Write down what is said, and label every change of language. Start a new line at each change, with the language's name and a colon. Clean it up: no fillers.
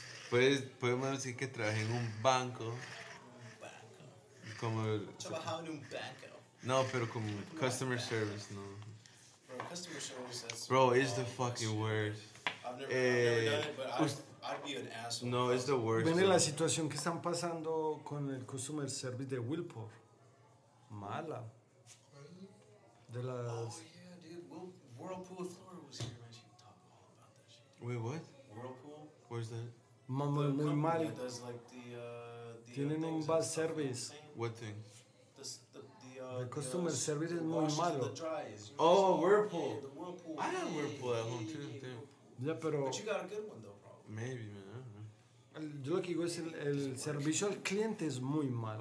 English: right here.
Spanish: Podemos decir que trabajé en un banco. Un banco. Como. Trabajaba en un banco. No, pero como customer service, no.
English: Bro, customer service, that's. Bro, it's the fucking worst. I've never done it, but I'd be an asshole. No, it's the worst.
Spanish: Ven la situación que están pasando con el customer service de Willpower. Mala. De las.
English: Oh, yeah, dude. Whirlpool of Florida was here, man. She can talk all about that shit. Wait, what? Whirlpool? Where's that?
Spanish: Muy mal.
English: Does, like, the
Spanish: tienen un
English: bad service. What thing? The customer service is
Spanish: muy malo.
English: Oh, Whirlpool. Yeah, the Whirlpool. I had Whirlpool at home, too. Yeah,
Spanish: pero.
English: But you got a good one, though, probably. Maybe, man. I don't
Spanish: Yo lo que digo es el servicio al cliente es muy malo.